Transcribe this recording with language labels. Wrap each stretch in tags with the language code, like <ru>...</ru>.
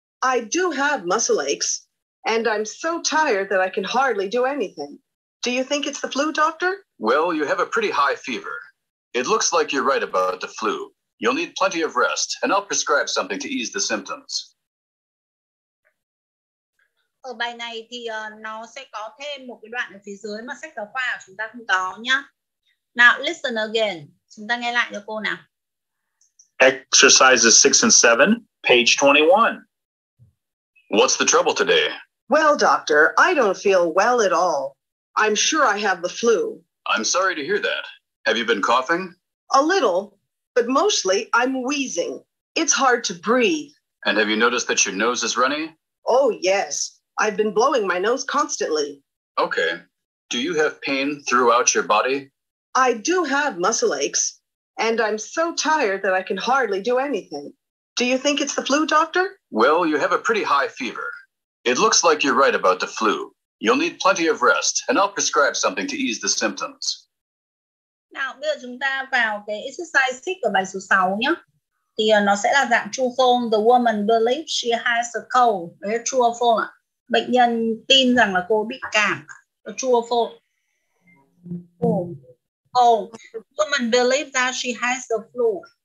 <en>I do have muscle aches. And I'm so tired that I can hardly do anything. Do you think it's the flu, doctor? Well, you have a pretty high fever. It looks like you're right about the flu. You'll need plenty of rest, and I'll prescribe something to ease the symptoms.</en> <vi>Ở bài này thì nó sẽ có thêm một cái đoạn ở phía dưới mà sách giáo khoa của chúng ta không có nhá.</vi> <en>Now, listen again.</en> <vi>Chúng ta nghe lại cho cô nào.</vi> <en>Exercises 6 and 7, page 21. What's the trouble today? Well, doctor, I don't feel well at all. I'm sure I have the flu. I'm sorry to hear that. Have you been coughing? A little, but mostly I'm wheezing. It's hard to breathe. And have you noticed that your nose is runny? Oh, yes. I've been blowing my nose constantly. Okay. Do you have pain throughout your body? I do have muscle aches, and I'm so tired that I can hardly do anything. Do you think it's the flu, doctor? Well, you have a pretty high fever. It looks like you're right about the flu. You'll need plenty of rest, and I'll prescribe something to ease the symptoms.</en> <vi>Nào, bây giờ chúng ta vào cái exercise 6 của bài số 6 nhé. Thì nó sẽ là dạng true form.</vi> <en>The woman believes she has a cold.</en> <vi>Đấy là true form. Bệnh nhân tin rằng là cô bị cảm.</vi> <en>True form. The woman believes that she has the flu.</en>